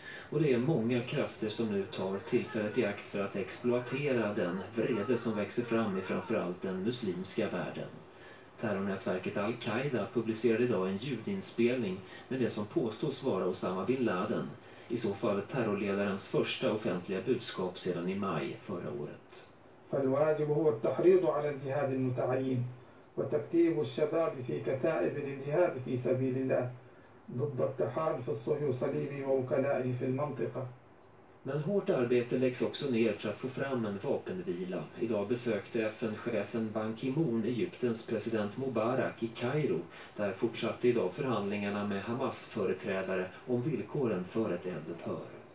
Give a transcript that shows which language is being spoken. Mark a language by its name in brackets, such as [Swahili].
[Swedish] Och det är många krafter som nu tar tillfället i akt för att exploatera den vrede som växer fram i framförallt den muslimska världen. Terrornätverket Al-Qaida publicerade idag en ljudinspelning med det som påstås vara Osama bin Laden. I så fall terrorledarens första offentliga budskap sedan i maj förra året. [Arabic] فالواجب هو التحريض على الجهاد المتعين وتكتيب الشباب في كتائب الجهاد في سبيل الله ضد التحالف الصهيوني ووكلائه في المنطقة. [Swedish] Men hårt arbete läggs också ner för att få fram en vapenvila. Idag besökte FN-chefen Ban Ki-moon Egyptens president Mubarak i Kairo. Där fortsatte idag förhandlingarna med Hamas-företrädare om villkoren för ett eldupphör.